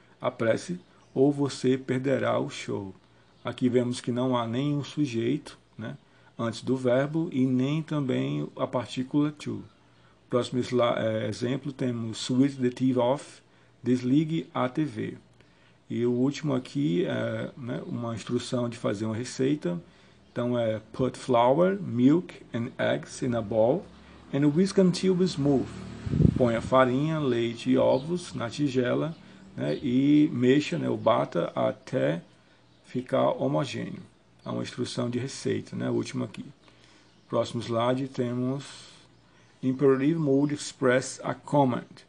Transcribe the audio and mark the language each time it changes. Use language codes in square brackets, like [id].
[pt] Apresse ou você perderá o show. Aqui vemos que não há nenhum sujeito, né? Antes do verbo e nem também a partícula to. Próximo exemplo, temos [en] switch the TV off. [pt] Desligue a TV. E o último aqui é, né, uma instrução de fazer uma receita. Então é [en] put flour, milk and eggs in a bowl and whisk until smooth. [pt] Põe a farinha, leite e ovos na tigela, né, e mexa, né, ou bata até ficar homogêneo. É uma instrução de receita, né, a última aqui. Próximo slide temos [en] imperative mode express a command.